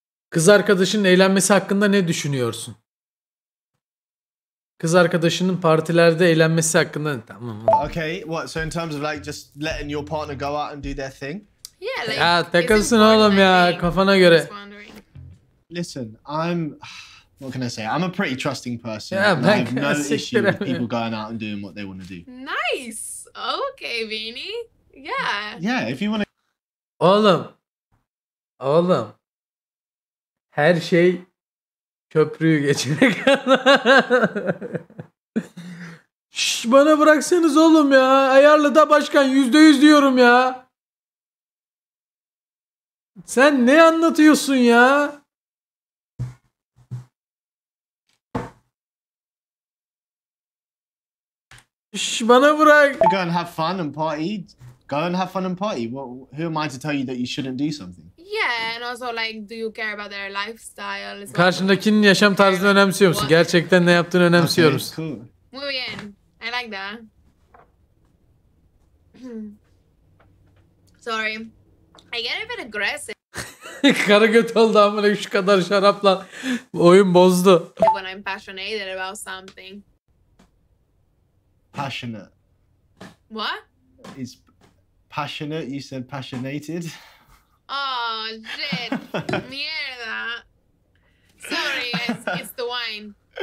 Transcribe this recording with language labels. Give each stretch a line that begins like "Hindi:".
Turkish: Kız arkadaşının eğlenmesi hakkında ne düşünüyorsun? Kız arkadaşının partilerde eğlenmesi hakkında ne? Tamam.
English: Okay, what? So in terms of like just letting your partner go out and do their thing? Yeah, like.
Turkish: Ya takılsın oğlum ya, kafana göre.
English: Listen, what can I say? I'm a pretty trusting person. Yeah, I have no issue with people going out and doing what they want to do. Nice. Okay, Vini. Yeah. Yeah, if you want
Turkish: to... Oğlum. Her şey köprüyü geçene kadar. Şş, bana bıraksanız oğlum ya. Ayarlı da başkan, %100 diyorum ya. Sen ne anlatıyorsun ya? Şş, bana bırak.
English: Go and have fun and party. Go and have fun and party. Who am I to tell you that you shouldn't do something? Yeah, and also like, do you care about their lifestyle? Well?
Turkish: Karşındakinin yaşam tarzını önemsiyor musun? Gerçekten ne yaptığını önemsiyor musun?
English: Okay, cool.
Spanish: Muy bien.
English: I like that. Sorry. I get a bit aggressive.
Turkish: Kara göt oldu amına, şu kadar şarapla oyun bozdu.
English: When I'm passionate about something. Passionate. What? It's passionate, you said passionate. Oh, shit. Mierda. Sorry, it's the wine.